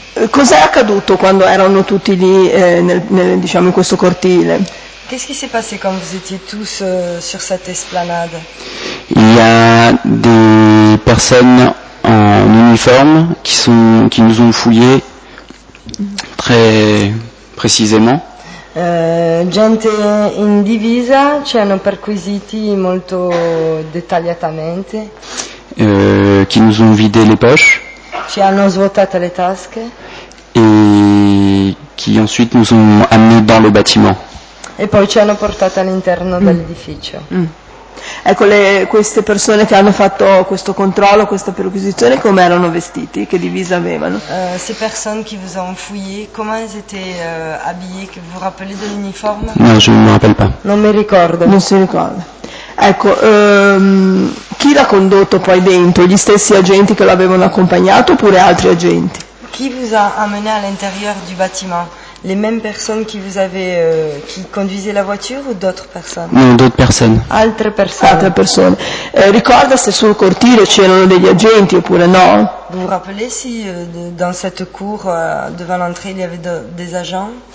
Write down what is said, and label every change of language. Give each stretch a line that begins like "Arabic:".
Italian: Cos'è accaduto quando erano tutti lì diciamo in questo cortile?
French: Qu'est-ce qui s'est passé quand vous étiez tous sur cette esplanade? Il y a des personnes en uniforme qui nous ont fouillés très précisément.
Italian: Gente in divisa ci hanno perquisiti molto dettagliatamente.
French: Qui nous ont vidé les poches.
Italian: Ci hanno svuotato le tasche.
French: E qui ensuite nous ont amené dans le bâtiment.
Italian: E poi ci hanno portato all'interno dell'edificio. Ecco, queste persone che hanno fatto questo controllo, questa perquisizione, come erano vestiti? Che divisa avevano?
French: Ces personnes qui vous ont fouillé, comment ils étaient habillés? Vous vous rappelez de l'uniforme? No, je ne me rappelle pas.
Italian: Non mi ricordo. Non si ricorda. Ecco, chi l'ha condotto poi dentro? Gli stessi agenti che l'avevano accompagnato oppure altri agenti?
French: Chi vous a amené à l'intérieur du bâtiment? Les mêmes personnes qui vous avez qui conduisaient la voiture ou d'autres personnes? Non, d'autres personnes.
Italian: Altre persone. Altre persone. Ricorda se sul cortile c'erano degli agenti oppure no?
French: Vous vous rappelez si dans cette cour devant l'entrée il y avait des agents?